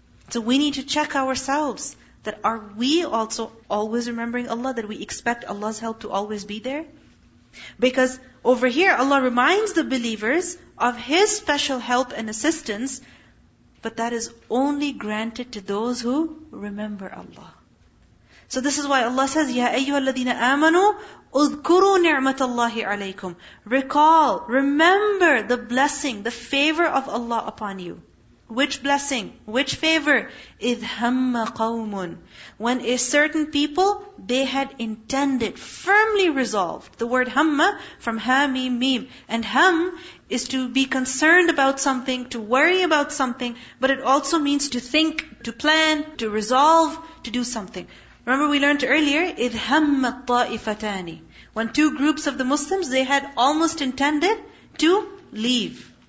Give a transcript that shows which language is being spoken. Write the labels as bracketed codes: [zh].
[en] So we need to check ourselves, that are we also always remembering Allah, that we expect Allah's help to always be there? Because over here, Allah reminds the believers of His special help and assistance, but that is only granted to those who remember Allah. [ar] So this is why Allah says, يَا أَيُّهَا الَّذِينَ آمَنُوا اُذْكُرُوا نِعْمَةَ اللَّهِ عَلَيْكُمْ. [en] Recall, remember the blessing, the favor of Allah upon you. Which blessing? Which favor? إِذْ هَمَّ قَوْمٌ. When a certain people, they had intended, firmly resolved. The word هَمَّ from هَا مِيم مِيم. And هَم is to be concerned about something, to worry about something, but it also means to think, to plan, to resolve, to do something. Remember we learned earlier, إِذْ هَمَّ الطَّائِفَتَانِ. When two groups of the Muslims, they had almost intended to leave.